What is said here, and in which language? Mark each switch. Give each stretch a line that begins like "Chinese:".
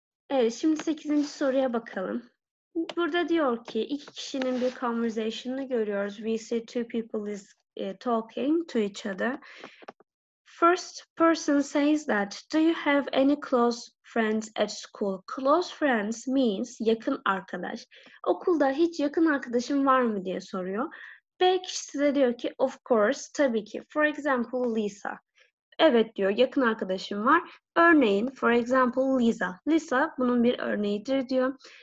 Turkish: Evet, şimdi 8. soruya bakalım. Burada diyor ki iki kişinin bir conversation'ını görüyoruz.
English: We see two people is talking to each other. First person says that, do you have any close friends at school? Close friends means
Turkish: yakın arkadaş. Okulda hiç yakın arkadaşın var mı diye soruyor. B kişisi de diyor ki,
English: of course,
Turkish: tabii ki.
English: For example,
Turkish: Lisa. Evet diyor, yakın arkadaşım var. Örneğin,
English: for example,
Turkish: Lisa. Lisa bunun bir örneğidir diyor.